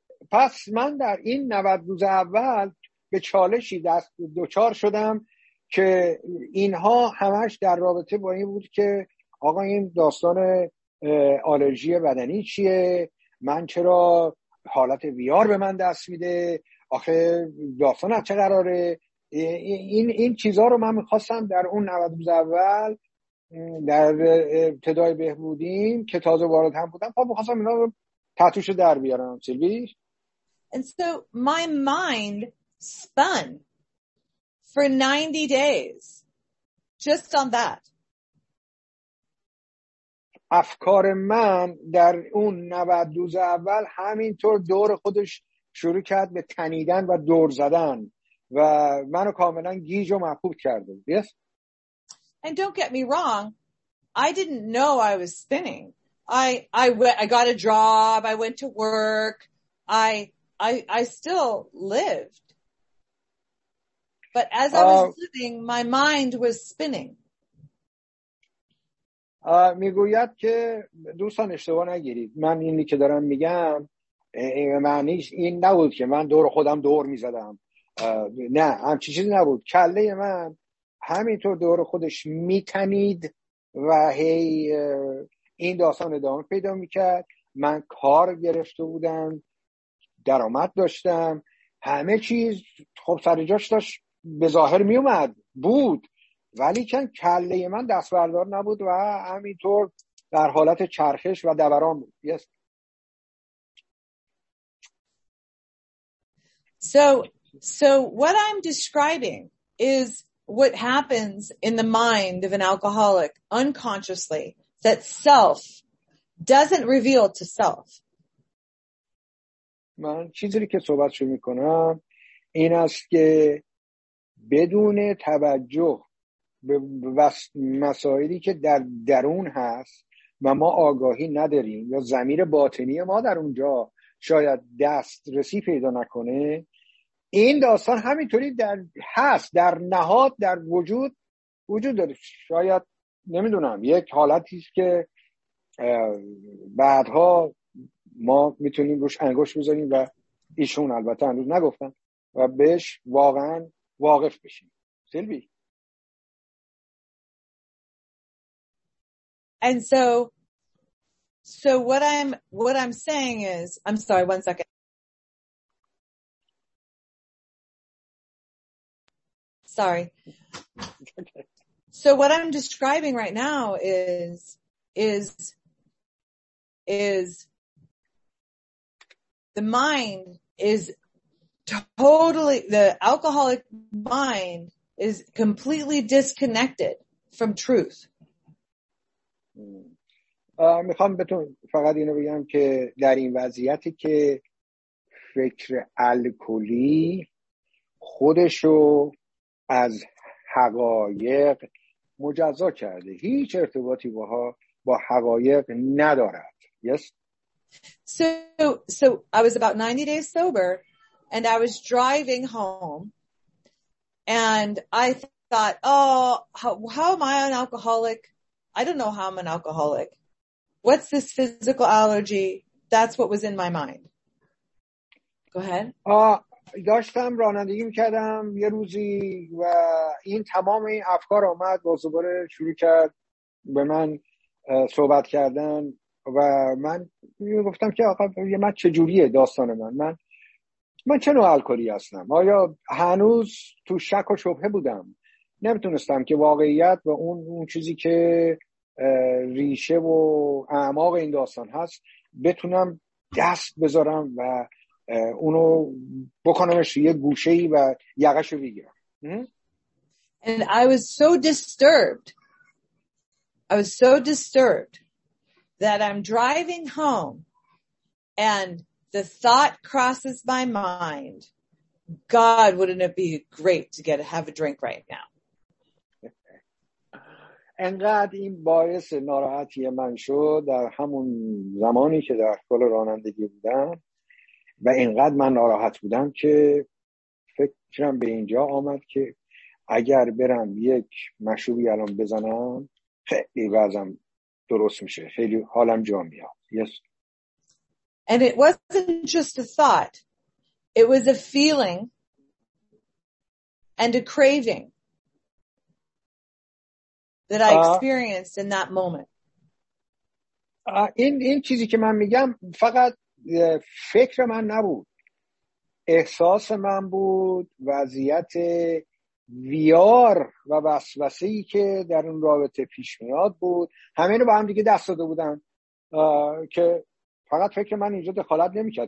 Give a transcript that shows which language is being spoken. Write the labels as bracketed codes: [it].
[fa] پس من در این 90 روز اول به چالشی دست دوچار شدم که اینها همش در رابطه با این بود که آقا این داستان آلرژی بدنی چیه؟ من چرا حالت ویار به من دست میده؟ آخه داستان از چه قراره؟ این چیزها رو من میخواستم در اون 90 روز اول در ابتدای بهبودیم که تازه وارد هم بودم خب میخواستم اینا رو تتوشو در بیارم. سیلوی؟ [en] And so my mind spun for 90 days just on that. [fa] افکار من در اون 90 روز اول همینطور دور خودش شروع کرد به تنیدن و دور زدن و منو کاملا گیج و مفقود کرده. [en] Yes? And don't get me wrong, I didn't know I was spinning. I got a job, I went to work, I still lived. But as I was living, my mind was spinning. [fa] میگوید که دوستان اشتباه نگیرید. من اینی که دارم میگم معنیش این نبود که من دور خودم دور میزدم. نه همچی چیزی نبود. کله من همینطور دور خودش میتنید و هی این داستان ادامه پیدا میکرد. من کار گرفته بودم. درآمد داشتم، همه چیز خب سر جاش داشت به ظاهر می اومد بود، ولی کن کله من دست بردار نبود و همینطور در حالت چرخش و دوران بود. [en] Yes. So what I'm describing is what happens in the mind of an alcoholic unconsciously, that self doesn't reveal to self. [fa] من چیزی که صحبتشو میکنم این است که بدون توجه به مسائلی که در درون هست و ما آگاهی نداریم یا ضمیر باطنی ما در اونجا شاید دسترسی پیدا نکنه، این داستان همینطوری در هست، در نهاد، در وجود وجود داره. شاید نمیدونم یک حالتیست که بعدها ما میتونیم روش انگوش بذاریم و ایشون البته هنوز نگفتن و بهش واقعا واقف بشیم. سیلوی. [en] And so what I'm saying is, I'm sorry, one second. Sorry. So what I'm describing right now is the mind is totally, the alcoholic mind is completely disconnected from truth. [fa] میخوام بهتون فقط اینو بگم که در این وضعیتی که فکر الکلی خودشو از حقایق مجزا کرده، هیچ ارتباطی باها با حقایق ندارد. [en] Yes. So I was about 90 days sober and I was driving home and I thought, how am I an alcoholic? I don't know how I'm an alcoholic. What's this physical allergy? That's what was in my mind. Go ahead. [fa] داشتم رانندگی میکردم یه روزی و این تمام این افکار اومد و دوباره شروع کرد به من صحبت کردن و من گفتم که آقا من چجوریه داستان من چه نوع الکلی هستم؟ آیا هنوز تو شک و شبهه بودم، نمیتونستم که واقعیت و اون چیزی که ریشه و اعماق این داستان هست بتونم دست بذارم و اونو بکنمش یه گوشه‌ای و یقه‌شو بگیرم. [en] And I was so disturbed. I was so disturbed that I'm driving home and the thought crosses my mind, God, wouldn't it be great to get have a drink right now? [fa] انقدر این باعث ناراحتی من شد در همون زمانی که در حال رانندگی بودم و انقدر من ناراحت بودم که فکرم به اینجا آمد که اگر برم یک مشروبی الان بزنم خیلی وضعم درست میشه، خیلی حالم جا میاد. [en] Yes. And it wasn't just a thought. It was a feeling and a craving that I experienced in that moment. [fa] این چیزی که من میگم فقط فکر من نبود. احساس من بود، وضعیت ویار و وسوسه‌ای که در اون رابطه پیش میاد بود. همه اینو با هم دیگه دست داده بودن که فقط فکر من اینجا دخالت نمی‌کرد.